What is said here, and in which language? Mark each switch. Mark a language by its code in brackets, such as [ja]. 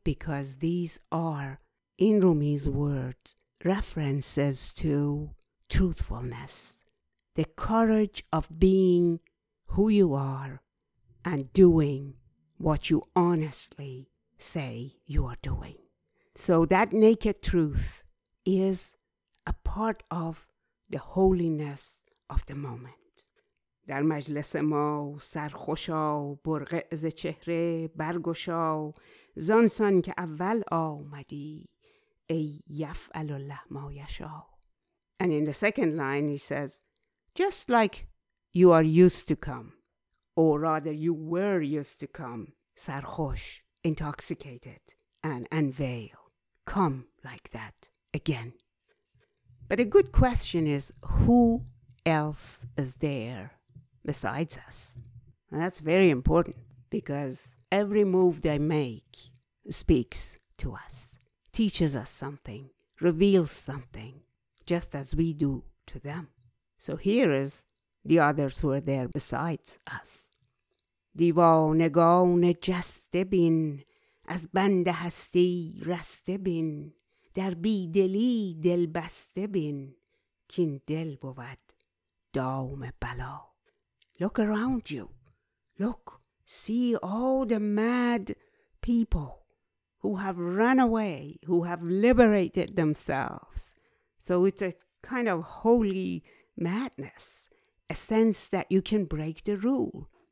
[en] Because these are, in Rumi's words, references to truthfulness, the courage of being who you are and doing what you honestly say you are doing. So that naked truth is a part of the holiness of the moment. [fa] در مجلس ما سرخوشا برقع ز چهره برگشا زانسان که اول آمدی ای یفعل الله ما یشا. [en] And in the second line he says, just like you are used to come, or rather you were used to come, سرخوش, intoxicated, and unveil. Come like that again. But a good question is, who else is there besides us? And that's very important, because every move they make speaks to us, teaches us something, reveals something, just as we do to them. So here is the others who were there besides us. [fa] دیوانگان جسته بین از بند هستی رسته بین در بیدلی دل بسته بین کین دل بود دام بلا. [en] Look around you. Look, see all the mad people who have run away, who have liberated themselves. So it's a kind of holy madness, a sense that you can break the rule.